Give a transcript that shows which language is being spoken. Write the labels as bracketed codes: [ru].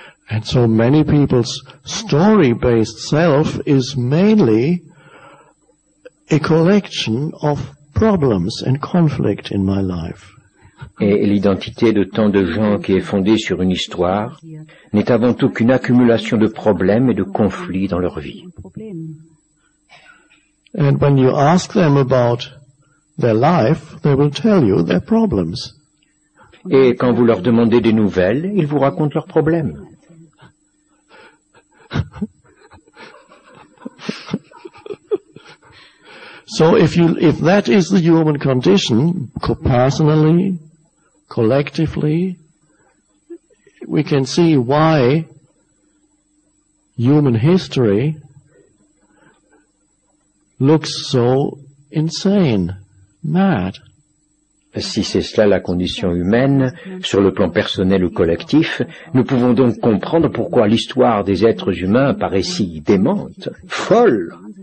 [en] And so many people's story-based self is mainly a collection of problems and conflict in my life. [fr] Et l'identité de tant de gens qui est fondée sur une histoire n'est avant tout qu'une accumulation de problèmes et de conflits dans leur vie. [en] And when you ask them about their life, they will tell you their problems. [fr] Et quand vous leur demandez des nouvelles, ils vous racontent leurs problèmes. [en] So if that is the human condition, personally, collectively, we can see why human history looks so insane, mad. [fr] Si c'est cela la condition humaine, sur le plan personnel ou collectif, nous pouvons donc comprendre pourquoi l'histoire des êtres humains paraît si démente, folle.